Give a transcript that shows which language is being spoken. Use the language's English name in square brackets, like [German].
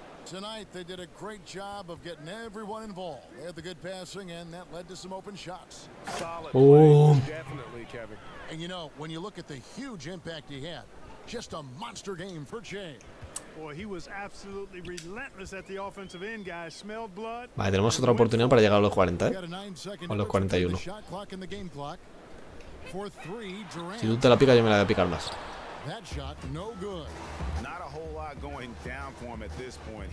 [English] Tonight they did a great job of getting everyone involved. They had the good passing and that led to some open shots. Solid play, definitely, Kevin. And you know, when you look at the huge impact he had, just a monster game for Jay. Boy, he was absolutely relentless at the offensive end, guys. Smelled blood. [Spanish] Vale, tenemos otra oportunidad para llegar a los 40, ¿eh? O los 41. Si tú te la picas, yo me la voy a picar más. [English] That shot, no good. Not a whole lot going down for him at this point.